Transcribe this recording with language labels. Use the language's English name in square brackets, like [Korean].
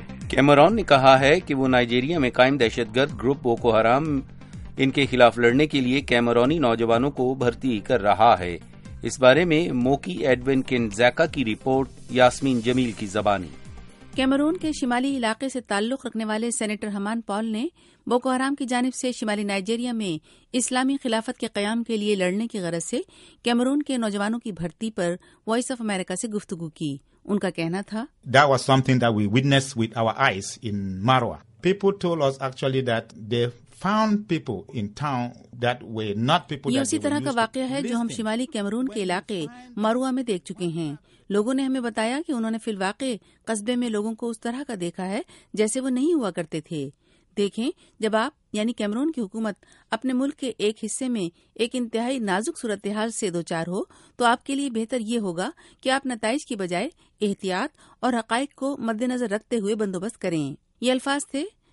[Urdu] Cameroon نے کہا ہے کہ وہ نائجیریا میں قائم دہشت گرد گروپ بوکو حرام ان کے خلاف لڑنے کے لیے کیمرونی نوجوانوں کو بھرتی کر رہا ہے۔ اس بارے میں موکی ایڈوین کنزیکا کی رپورٹ، یاسمین جمیل کی زبانی۔ کیمرون کے شمالی علاقے سے تعلق رکھنے والے سینیٹر ہمان پال نے بوکو حرام کی جانب سے شمالی نائجیریا میں اسلامی خلافت کے قیام کے لیے لڑنے کی غرض سے کیمرون کے نوجوانوں کی بھرتی پر وائس آف امریکہ سے گفتگو کی۔ ان کا کہنا تھا، [English] That was something that we witnessed with our eyes in Marwa. People told us actually that they found people in town that were not people that [Urdu] یہ اسی طرح کا واقعہ ہے جو ہم شمالی کیمرون کے علاقے ماروا میں دیکھ چکے ہیں۔ لوگوں نے ہمیں بتایا کہ انہوں نے فی الواقع قصبے میں لوگوں کو اس طرح کا دیکھا ہے جیسے وہ نہیں ہوا کرتے تھے۔ دیکھیں، جب آپ یعنی کیمرون کی حکومت اپنے ملک کے ایک حصے میں ایک انتہائی نازک صورتحال سے دوچار ہو تو آپ کے لیے بہتر یہ ہوگا کہ آپ نتائج کی بجائے احتیاط اور حقائق کو مد نظر رکھتے ہوئے بندوبست کریں۔ یہ الفاظ تھے